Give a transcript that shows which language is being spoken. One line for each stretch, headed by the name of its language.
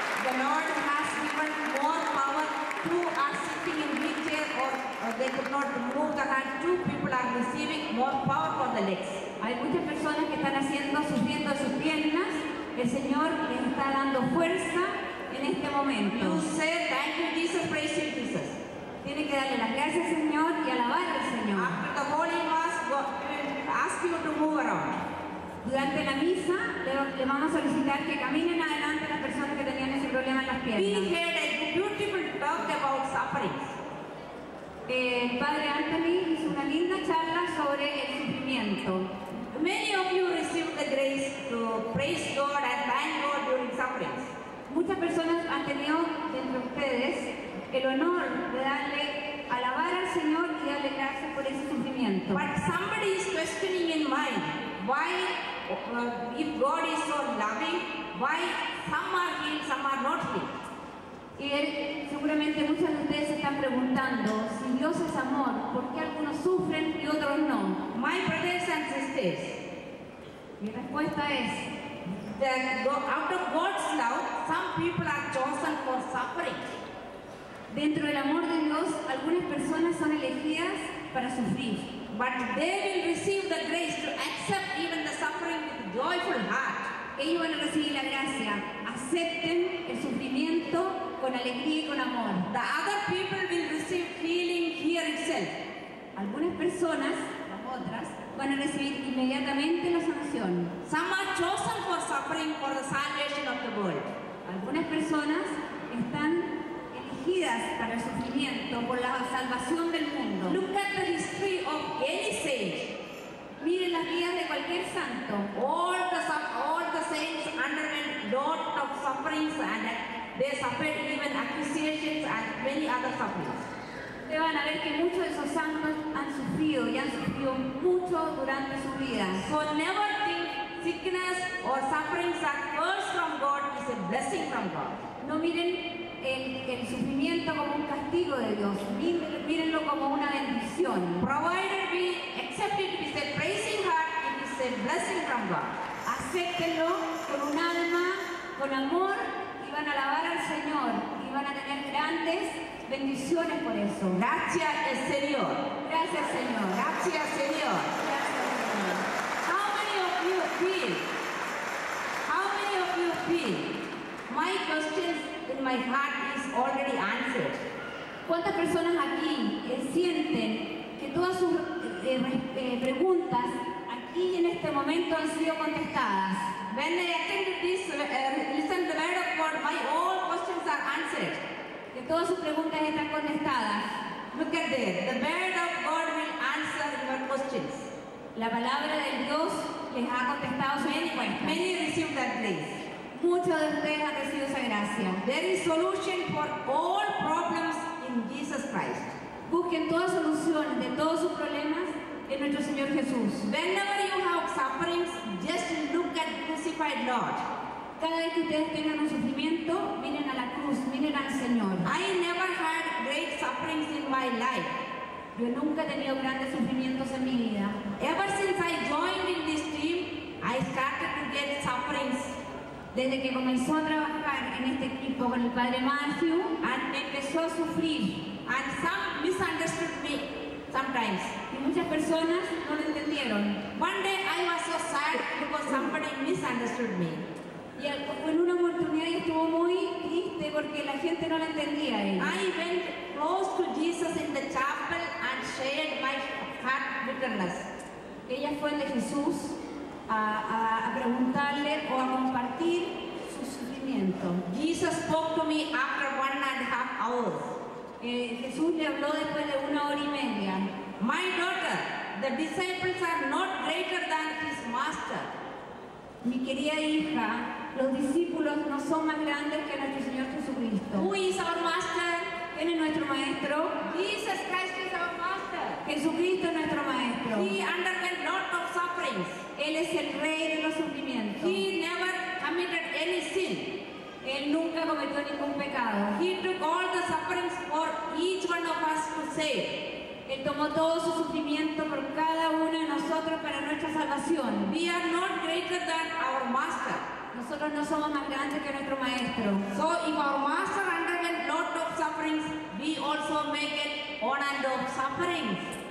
English: The Lord has given more power to us sitting in wheelchair or they could not move the hand. Two people are receiving more power for the legs.
Spanish: Hay muchas personas que están haciendo, sufriendo sus piernas. El Señor les está dando fuerza en este momento.
English: You say, thank you, Jesus, praise you, Jesus.
Spanish: Tiene que darle las gracias, Señor, y alabar al Señor.
English: After the Holy Mass, God ask you to move around.
Spanish: Durante la misa, le vamos a solicitar que caminen adelante las personas que tenían ese problema en las piernas.
English: We heard a beautiful talk about suffering.
Spanish: El padre Anthony hizo una linda charla sobre el sufrimiento.
English: Many of you received the grace to praise God and thank God during suffering.
Spanish: Muchas personas han tenido entre ustedes el honor de darle, alabar al Señor y darle gracias por ese sufrimiento.
English: But somebody is questioning in mind. Why, if God is so loving, why some are healed, some are not healed?
Spanish: Y seguramente muchos de ustedes se están preguntando, si Dios es amor, ¿por qué algunos sufren y otros no?
English: My brothers and sisters,
Spanish: mi respuesta es,
English: that out of God's love, some people are chosen for suffering.
Spanish: Dentro del amor de Dios, algunas personas son elegidas para sufrir.
English: But they will receive the grace to accept even the suffering with a joyful heart.
Spanish: Ellos van a recibir la gracia. Acepten el sufrimiento con alegría y con amor.
English: The other people will receive healing here itself.
Spanish: Algunas personas, las otras, van a recibir inmediatamente la sanación.
English: Some are chosen for suffering for the salvation of the world.
Spanish: Algunas personas están elegidas para el sufrimiento por la salvación del mundo.
English: Look at the history of any saint.
Spanish: Miren las vidas de cualquier santo.
English: All the saints underwent lots of sufferings and they suffered even accusations and many other sufferings.
Spanish: Ustedes van a ver que muchos de esos santos han sufrido y han sufrido mucho durante su vida.
English: So never think sickness or sufferings are cursed from God, it's a blessing from God.
Spanish: No miren el sufrimiento como un castigo de Dios, mírenlo como una bendición.
English: Provided we accept it with a praising heart, it is a blessing from God.
Spanish: Acéptenlo con un alma, con amor, y van a alabar al Señor, y van a tener grandes bendiciones por eso. Gracias, Señor. Gracias, Señor. Gracias, Señor. Gracias, Señor.
English: How many of you feel? How many of you feel? My question in my heart is already answered.
Spanish: ¿Cuántas personas aquí sienten que todas sus preguntas aquí en este momento han sido contestadas?
English: When I attended this, listen to the report, my all questions are answered.
Spanish: Que todas sus preguntas están contestadas.
English: Look at this. The Word of God will answer your questions.
Spanish: La palabra de Dios les ha contestado sus preguntas.
English: Many received that grace.
Spanish: Muchos de ustedes han recibido esa gracia.
English: There is solution for all problems in Jesus Christ.
Spanish: Busquen todas soluciones de todos sus problemas en nuestro Señor Jesús.
English: Whenever you have sufferings, just look at the crucified Lord.
Spanish: Cada vez que ustedes tengan un sufrimiento, miren a la cruz, miren al Señor.
English: I never had great sufferings in my life.
Spanish: Yo nunca he tenido grandes sufrimientos en mi vida.
English: Ever since I joined in this team, I started to get sufferings.
Spanish: Desde que comenzó a trabajar en este equipo con el Padre Matthew, and empezó a sufrir.
English: And some misunderstood me sometimes.
Spanish: Y muchas personas no lo entendieron.
English: One day I was so sad because somebody misunderstood me.
Spanish: Y en una oportunidad estuvo muy triste porque la gente no la entendía.
English: I went close to Jesus in the chapel and shared my heart bitterness.
Spanish: Ella fue de Jesús a preguntarle o a compartir su sufrimiento.
English: Jesus spoke to me after 1.5 hours.
Spanish: Jesús le habló después de una hora y media.
English: My daughter, the disciples are not greater than his master.
Spanish: Mi querida hija, los discípulos no son más grandes que nuestro Señor Jesucristo.
English: Who is our master?
Spanish: ¿Quién es nuestro maestro?
English: Jesus Christ is our master.
Spanish: Jesucristo es nuestro maestro.
English: He underwent lots of sufferings.
Spanish: Él es el rey de los sufrimientos.
English: He never committed any sin.
Spanish: Él nunca cometió ningún pecado.
English: He took all the sufferings for each one of us to save.
Spanish: Él tomó todo su sufrimiento por cada uno de nosotros para nuestra salvación.
English: We are not greater than our master.
Spanish: Nosotros no somos más grandes que nuestro maestro.
English: So if our master underwent lot of sufferings, we also make it on and off sufferings.